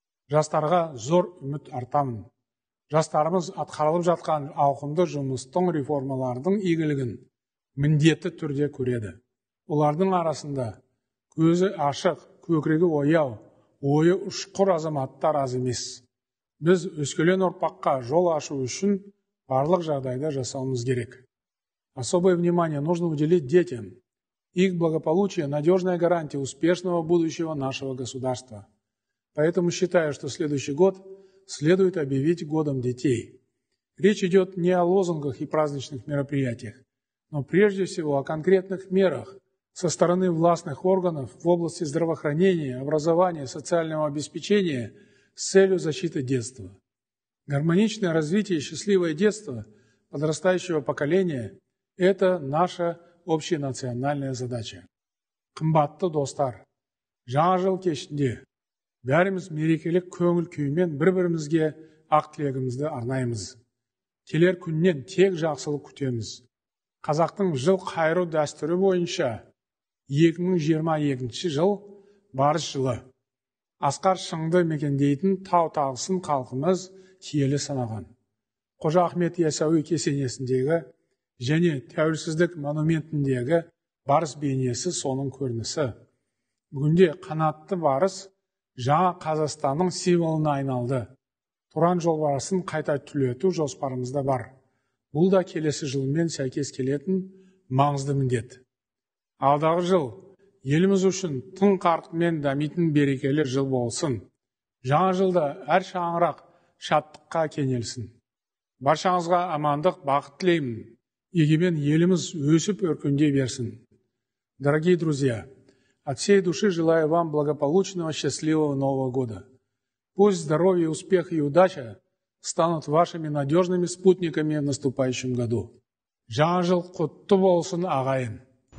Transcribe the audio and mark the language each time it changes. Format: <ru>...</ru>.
<kk>Жастарға зор үміт артамын. Жастарымыз атқарылып жатқан ауқымды жұмыстың реформалардың игілігін міндетті түрде көреді. Олардың арасында көзі ашық, көкірегі ояу, ойы ұшқыр азаматтар аз емес. Біз өскелең ұрпаққа жол ашу үшін барлық жағдайда жасауымыз керек.</kk> <ru>Особое внимание нужно уделить детям Их благополучие – надежная гарантия успешного будущего нашего государства. Поэтому считаю, что следующий год следует объявить годом детей. Речь идет не о лозунгах и праздничных мероприятиях, но прежде всего о конкретных мерах со стороны властных органов в области здравоохранения, образования, социального обеспечения с целью защиты детства. Гармоничное развитие и счастливое детство подрастающего поколения – это наша общенациональная задача.</ru> <kk>Қымбатты достар, жаңа жыл кешінде бәріміз мерекелік көңіл-күймен бір-бірімізге ақ тілегімізді арнаймыз. Келер күннен тек жақсылық күтеміз. Қазақтың жыл қайыру дәстүрі бойынша 2022 жыл барыс жылы. Асқар шыңды мекендейтін тау-тағысын халқымыз киелі санаған. Қожа Ахмет Ясауи кесенесіндегі және тәуелсіздік монументіндегі барыс бейнесі соның көрінісі. Бүгінде қанатты барыс жаңа Қазақстанның символына айналды. Тұран жолбарысын қайта түлету жоспарымызда бар. Бұл да келесі жылмен сәйкес келетін маңызды міндет. Алдағы жыл еліміз үшін тың қарқынмен дамитын берекелі жыл болсын. Жаңа жылда әр шаңырақ шаттыққа кенелсін. Баршаңызға амандық, бақыт тілеймін. Егемен еліміз өсіп өркендей берсін.</kk> <ru>Дорогие друзья, от всей души желаю вам благополучного, счастливого Нового года. Пусть здоровье, успех и удача станут вашими надежными спутниками в наступающем году.</ru> <kk>Жаңа жыл құтты болсын, ағайын!</kk>